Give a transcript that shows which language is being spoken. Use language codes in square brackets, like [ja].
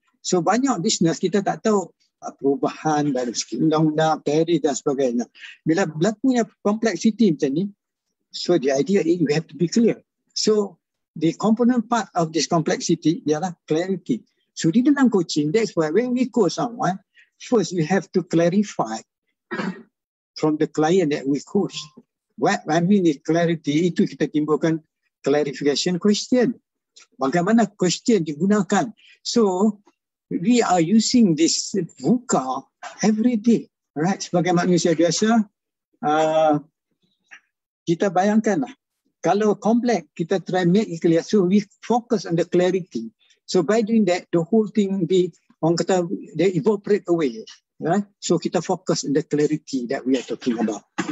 [ms] So banyak bisnes kita tak tahu perubahan dari segi undang-undang, tarif dan sebagainya. Bila berlakunya complexity macam ni, [en] so the idea is you have to be clear. So the component part of this complexity [ms] ialah [en] clarity. So [ms] di dalam [en] coaching, that's why when we coach someone, first we have to clarify from the client that we coach. What I mean is clarity, [ms] itu kita timbulkan [en] clarification question. [ms] Bagaimana question digunakan. [en] So, we are using this VUCA every day. Right? [ms] Sebagai manusia biasa, kita bayangkanlah. Kalau complex, kita [en] try make it clear. So, we focus on the clarity. So, by doing that, the whole thing be, [ms] orang kata, [en] they evaporate away. Right? So, [ms] kita [en] focus on the clarity that we are talking about.